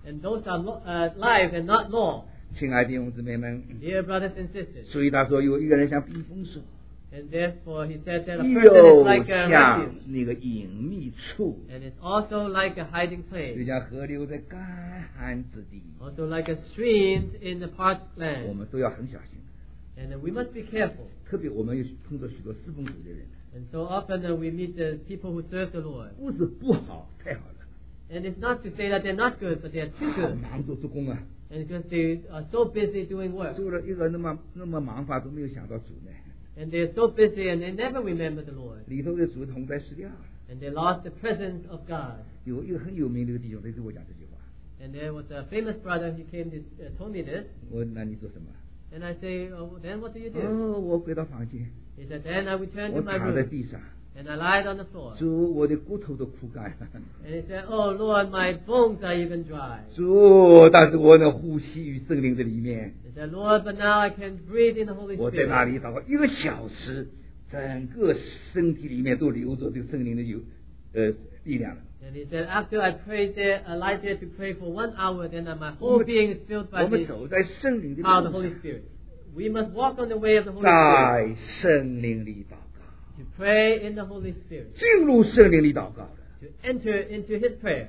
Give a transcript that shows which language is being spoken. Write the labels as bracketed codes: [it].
[en] And those are life and not law. [zh] 亲爱的弟兄姊妹们。 [en] Dear brothers and sisters. [zh] 所以他说有一个人像避风所。 [en] And therefore he said that a person is like a refuge. [zh] 又像那个隐秘处。 [en] And it's also like a hiding place. [zh] 就像河流在干旱之地。 [en] Also like a stream in the parched land. [zh] 我们都要很小心。 [en] And we must be careful. [zh] 特别我们碰到许多侍奉主的人。 [en] And so often we meet the people who serve the Lord. [zh] 不是不好，太好了。 [en] And it's not to say that they're not good, but they're too good. [zh] 好忙着做工啊。 [en] And because they are so busy doing work. [zh] 做了一个那么忙法都没有想到主呢。 [en] And they're so busy and they never remember the Lord. [zh] 里头的主同在失掉。 [en] And they lost the presence of God. [zh] 有一个很有名的弟兄在跟我讲这句话。 [en] And there was a famous brother who came to told me this. [zh] 我那你做什么？ [en] And I say, oh, then what do you do? [zh] Oh, 我回到房间。 [en] He said, then I return to my room. [zh] 我躺在地上。 [en] And I lied on the floor. [zh] 主, 我的骨头都枯干。And [en] he said, Oh Lord, my bones are even dry. [zh] 主, 但是我能呼吸于圣灵的里面。 [en] He said, Lord, but now I can breathe in the Holy Spirit. [zh] 我在那里祷告一个小时, 整个身体里面都流着这个圣灵的力量了。 [en] And he said, after I prayed there, I lied there to pray for 1 hour, then my whole being is filled by the power of the Holy Spirit. We must walk on the way of the Holy Spirit. [zh] 在圣灵里祷告。 [en] To pray in the Holy Spirit. [zh] 进入圣灵里祷告的, [en] to enter into His prayer.